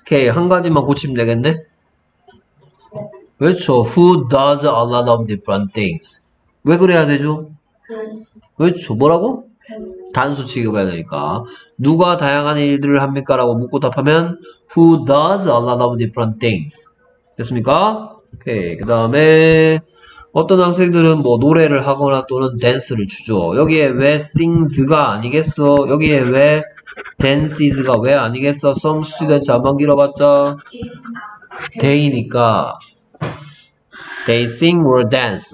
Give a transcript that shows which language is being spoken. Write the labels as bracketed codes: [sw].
[ko] 오케이, 한 가지만 고치면 되겠네? 그렇죠. [en] Who does a lot of different things? [ko] 왜 그래야 되죠? 그렇죠. 뭐라고? 단수 취급해야 되니까. 누가 다양한 일들을 합니까? 라고 묻고 답하면 [en] Who does a lot of different things? [ko] 됐습니까? 오케이. 그 다음에 어떤 학생들은 뭐 노래를 하거나 또는 댄스를 추죠. 여기에 왜 sings가 아니겠어? 여기에 왜 dances가 왜 아니겠어? [en] Some students [ko] 한번 길어봤자 [en] they니까 They sing or dance.